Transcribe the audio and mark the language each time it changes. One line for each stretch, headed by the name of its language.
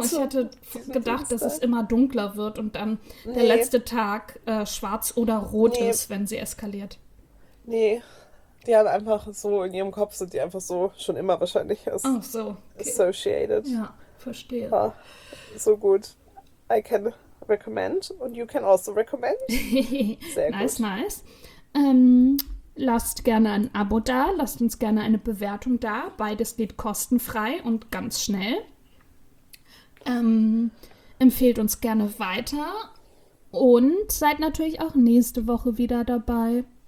German: Oh, ich hätte gedacht, Dienstag, dass es immer dunkler wird und dann der letzte Tag schwarz oder rot ist, wenn sie eskaliert. Nee, die haben einfach so in ihrem Kopf sind die einfach so schon immer wahrscheinlich associated. Ja, verstehe. Ja, so gut.
English: I can recommend and you can also recommend.
German: Sehr nice, gut. Nice, nice. Lasst gerne ein Abo da, lasst uns gerne eine Bewertung da. Beides geht kostenfrei und ganz schnell. Empfehlt uns gerne weiter und seid natürlich auch nächste Woche wieder dabei.